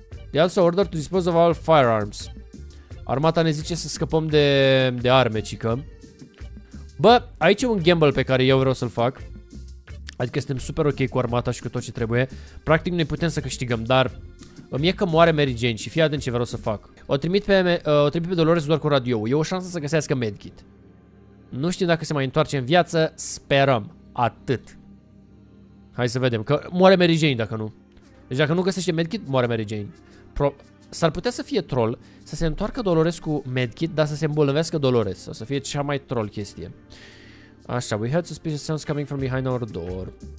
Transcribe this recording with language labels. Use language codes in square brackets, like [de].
[en] They also ordered to dispose of all firearms. [ro] Armata ne zice să scăpăm de arme, cică. Bă, aici e un gamble pe care eu vreau să-l fac. Adică suntem super ok cu armata și cu tot ce trebuie. Practic noi putem să câștigăm, dar îmi e că moare Mary Jane și fii atent ce vreau să fac. O trimit pe Dolores doar cu radio. E o șansă să găsească medkit. Nu știu dacă se mai întoarce în viață. Sperăm. Atât. Hai să vedem, că moare Mary Jane dacă nu. Deci dacă nu găsește medkit, moare Mary Jane. S-ar putea să fie troll, să se întoarcă Dolores cu medkit, dar să se îmbolnăvească Dolores. O să fie cea mai troll chestie. [en] Așa, we heard suspicious sounds coming from behind our door.